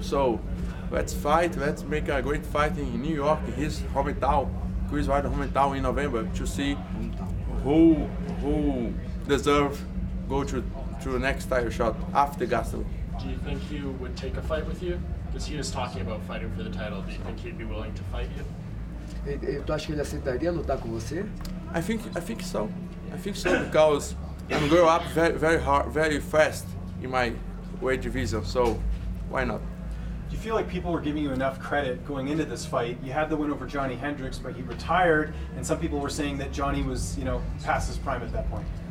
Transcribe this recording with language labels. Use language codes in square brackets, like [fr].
[en] So let's fight. Let's make a great fight in New York, his hometown, Chris Weidman hometown, in November to see who deserve go to the next title shot after Gastelum. Do you think he would take a fight with you? Because he was talking about fighting for the title. Do you think he'd be willing to fight you? [pt] Tu acha que ele aceitaria lutar com você? [en] I think so. I think so because I'm grow up very very hard, very fast in my weight division. So why not? Do you feel like people were giving you enough credit going into this fight? You had the win over Johnny Hendricks, but he retired, and some people were saying that Johnny was, you know, past his prime at that point.